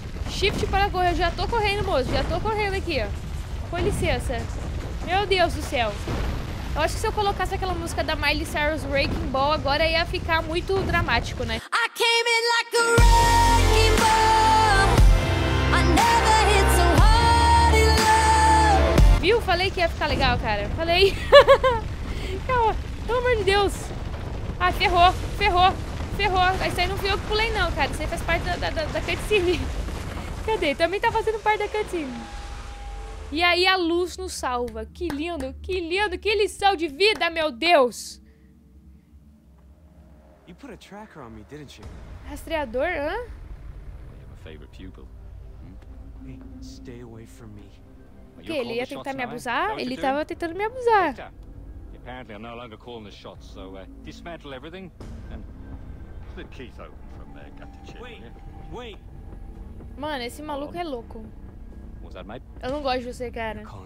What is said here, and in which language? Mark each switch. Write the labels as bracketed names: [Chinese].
[Portuguese] Shift para correr. Eu já tô correndo, moço. Já tô correndo aqui, ó. Com licença. Meu Deus do céu. Eu acho que se eu colocasse aquela música da Miley Cyrus, Wrecking Ball, agora ia ficar muito dramático, né? [English] I came in like a wrecking ball. I never hit so hard in love. [Portuguese] Viu? Falei que ia ficar legal, cara. Falei. Calma. Pelo amor de Deus. Ah, ferrou. Ferrou. Ferrou. Isso aí não fui eu que pulei, não, cara. Isso aí faz parte da cutscene. Cadê? Também tá fazendo parte da cutscene. E aí a luz nos salva. Que lindo, que lindo. Que lição de vida, meu Deus. [English] You put a tracker on me, didn't you? [Portuguese] Rastreador, hã? [English] I have a favorite pupil. Hey, stay away from me. [Portuguese] O que, ele ia tentar me abusar? Ele tava tentando me abusar. [English] Victor, apparently I'm no longer calling the shots, so dismantle everything. And the keys open from there, got to check. Wait. [Portuguese] Mano, esse maluco é louco. Eu não gosto de você, cara.